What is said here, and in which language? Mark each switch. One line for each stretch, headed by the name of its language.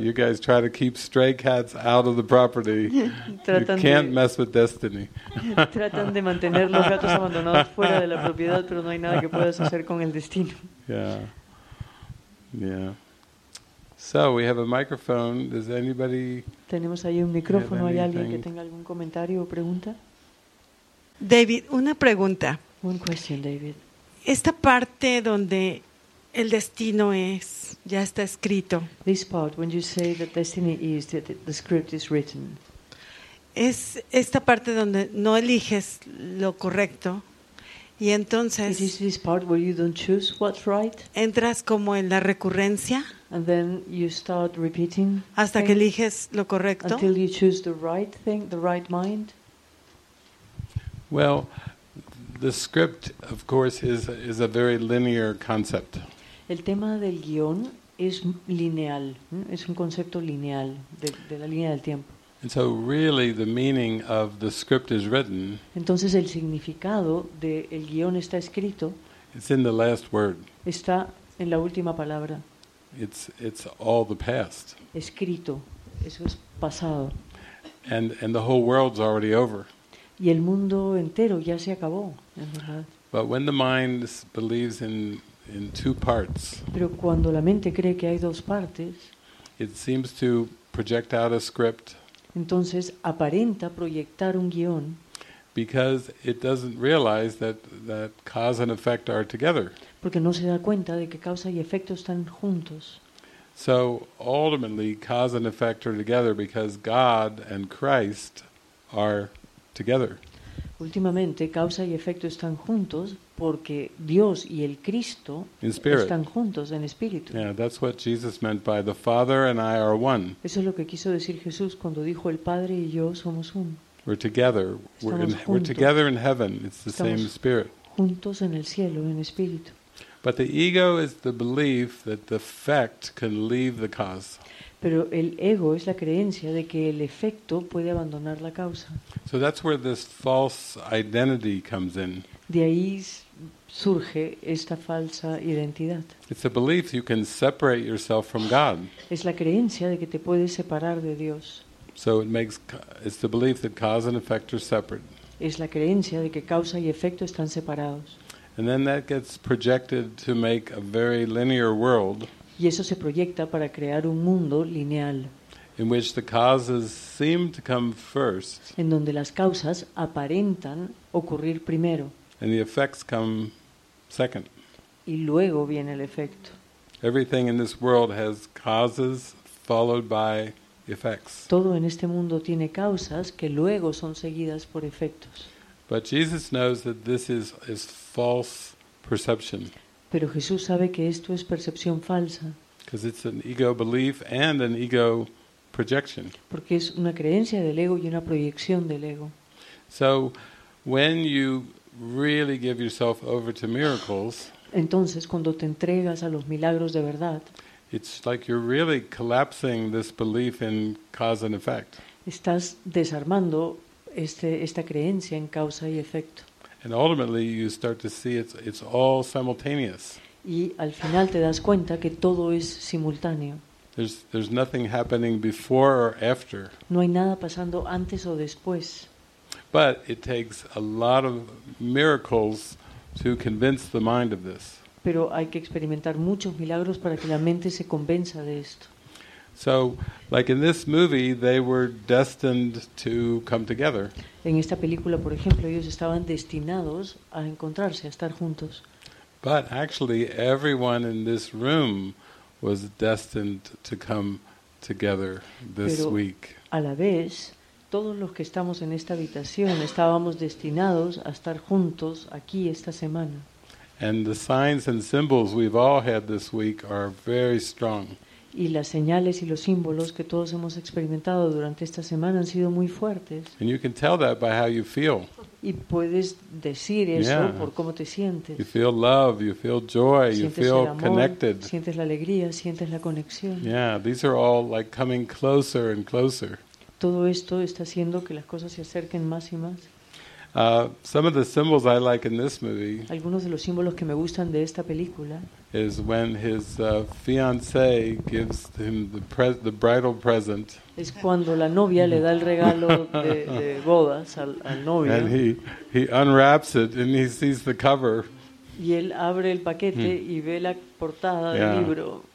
English: You guys try to keep stray cats out of the property. You can't mess with destiny.
Spanish: Tratan de mantener los gatos abandonados fuera de la propiedad, pero no hay nada que puedas hacer con el destino.
English: Yeah. So we have a microphone. Does anybody?
Spanish: Tenemos ahí un micrófono. ¿Hay alguien que tenga algún comentario o pregunta? David, una pregunta.
English: One question, David.
Spanish: Esta parte donde el destino es, ya está escrito.
English: This part, when you say that destiny is, that the script is written.
Spanish: Es esta parte donde no eliges lo correcto. Y entonces.
English: It is this part where you don't choose what's right.
Spanish: Entras como en la recurrencia.
English: And then you start repeating.
Spanish: Hasta que eliges lo correcto.
English: Until you choose the right thing, the right mind. Well, the script, of course, is a very linear concept.
Spanish: El tema del guión es lineal, es un concepto lineal de la línea del tiempo.
English: And so really the meaning of the script is written.
Spanish: Entonces el significado del guión está escrito.
English: It's in the last word.
Spanish: Está en la última palabra.
English: It's all the past.
Spanish: Escrito, eso es pasado.
English: And the whole world's already over.
Spanish: Y el mundo entero ya se acabó, en verdad.
English: But when the mind believes in two parts.
Spanish: Pero cuando la mente cree que hay dos partes.
English: It seems to project out a script.
Spanish: Entonces aparenta proyectar un guion.
English: Because it doesn't realize that cause and effect are together.
Spanish: Porque no se da cuenta de que causa y efecto están juntos.
English: So ultimately cause and effect are together because God and Christ are together.
Spanish: Últimamente causa y efecto están juntos porque Dios y el Cristo están juntos en espíritu.
English: Yeah, that's what Jesus meant by the Father and I are one.
Spanish: Eso es lo que quiso decir Jesús cuando dijo el Padre y yo somos uno.
English: We're together. We're together in heaven. It's the same spirit.
Spanish: Juntos en el cielo en espíritu.
English: But the ego is the belief that the effect can leave the cause.
Spanish: Pero el ego es la creencia de que el efecto puede abandonar la causa.
English: So that's where this false identity comes in.
Spanish: De ahí surge esta falsa identidad.
English: It's a belief you can separate yourself from God.
Spanish: Es la creencia de que te puedes separar de Dios.
English: So it's the belief that cause and effect are separate.
Spanish: Es la creencia de que causa y efecto están separados.
English: And then that gets projected to make a very linear world.
Spanish: Y eso se proyecta para crear un mundo lineal.
English: In which the causes seem to come first.
Spanish: En donde las causas aparentan ocurrir primero.
English: And the effects come second.
Spanish: Y luego viene el efecto.
English: Everything in this world has causes followed by effects.
Spanish: Todo en este mundo tiene causas que luego son seguidas por efectos.
English: But Jesus knows that this is false perception.
Spanish: Pero Jesús sabe que esto es percepción falsa.
English: Because it's an ego belief and an ego projection.
Spanish: Porque es una creencia del ego y una proyección del ego.
English: So when you really give yourself over to miracles.
Spanish: Entonces, cuando te entregas a los milagros de verdad,
English: it's like you're really collapsing this belief in cause and effect.
Spanish: Estás desarmando esta creencia en causa y efecto.
English: And ultimately, you start to see it's all simultaneous.
Spanish: Y al final te das cuenta que todo es simultáneo.
English: There's nothing happening before or after.
Spanish: No hay nada pasando antes o después.
English: But it takes a lot of miracles to convince the mind of this.
Spanish: Pero hay que experimentar muchos milagros para que la mente se convenza de esto.
English: So, like in this movie, they were destined to come together.
Spanish: En esta película, por ejemplo, ellos estaban destinados a encontrarse, a estar juntos.
English: But actually, everyone in this room was destined to come together this week.
Spanish: Pero a la vez, todos los que estamos en esta habitación estábamos destinados a estar juntos aquí esta semana.
English: And the signs and symbols we've all had this week are very strong.
Spanish: Y las señales y los símbolos que todos hemos experimentado durante esta semana han sido muy fuertes.
English: And you can tell that by how you feel.
Spanish: Y puedes decir eso por cómo te sientes.
English: You feel love, you feel joy,
Spanish: sientes
English: you feel
Spanish: el amor,
English: connected.
Spanish: Sientes la alegría, sientes la conexión.
English: Yeah, these are all like coming closer and closer.
Spanish: Todo esto está haciendo que las cosas se acerquen más y más.
English: Some of the symbols I like in this movie.
Spanish: Algunos de los símbolos que me gustan de esta película.
English: Is when his fiance gives him the bridal present.
Spanish: Es cuando la novia le da el regalo de bodas al novio.
English: And he unwraps it and he sees the cover.
Spanish: Y él abre el paquete y ve la portada del libro.